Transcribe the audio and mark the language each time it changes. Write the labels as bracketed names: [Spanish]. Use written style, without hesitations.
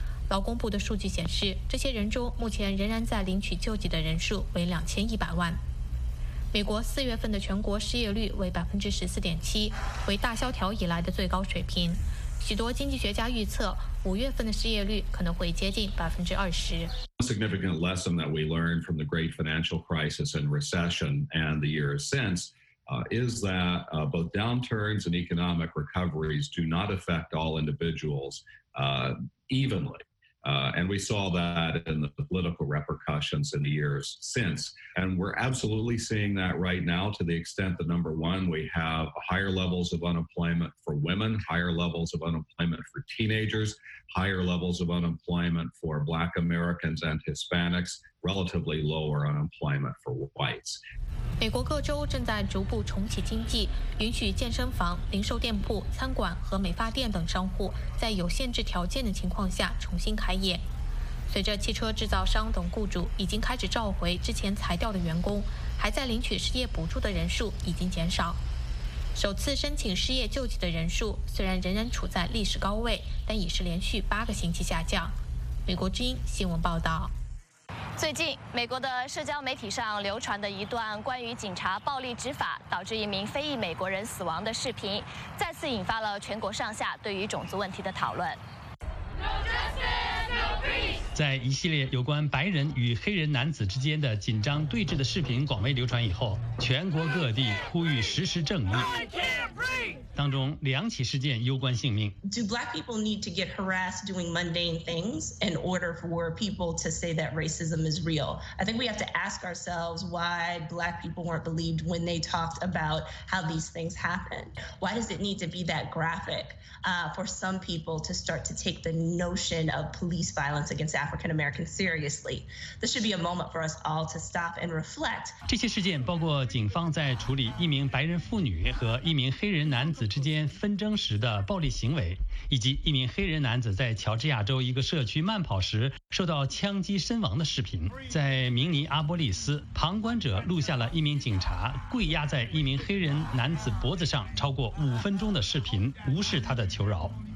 [Chinese] 劳工部的数据显示，这些人中目前仍然在领取救济的人数为2100万。美国4月份的全国失业率为14.7%，为大萧条以来的最高水平。许多经济学家预测，5月份的失业率可能会接近20%。 [English] Significant lesson that we learned from the Great Financial Crisis and recession and the years since, is that both downturns and economic recoveries do not affect all individuals, evenly. And we saw that in the political repercussions in the years since. And we're absolutely seeing that right now to the extent that, number one, we have higher levels of unemployment for women, higher levels of unemployment for teenagers, higher levels of unemployment for Black Americans and Hispanics, relatively lower unemployment for whites. [Chinese] 美国各州正在逐步重启经济，允许健身房、零售店铺、餐馆和美发店等商户在有限制条件的情况下重新开业。随着汽车制造商等雇主已经开始召回之前裁掉的员工，还在领取失业补助的人数已经减少。首次申请失业救济的人数虽然仍然处在历史高位，但已是连续8个星期下降。美国之音新闻报道。最近，美国的社交媒体上流传的一段关于警察暴力执法导致一名非裔美国人死亡的视频，再次引发了全国上下对于种族问题的讨论。在一系列有关白人与黑人男子之间的紧张对峙的视频广为流传以后，全国各地呼吁实施正义。当中两起事件攸关性命。 [English] Do black people need to get harassed doing mundane things in order for people to say that racism is real? I think we have to ask ourselves why black people weren't believed when they talked about how these things happen. Why does it need to be that graphic, for some people to start to take the notion of police violence against African Americans seriously? This should be a moment for us all to stop and reflect. [Chinese] 这些事件包括警方在处理一名白人妇女和一名黑人男子之间纷争时的暴力行为，以及一名黑人男子在乔治亚州一个社区慢跑时受到枪击身亡的视频。在明尼阿波利斯，旁观者录下了一名警察跪压在一名黑人男子脖子上超过5分钟的视频，无视他的求饶。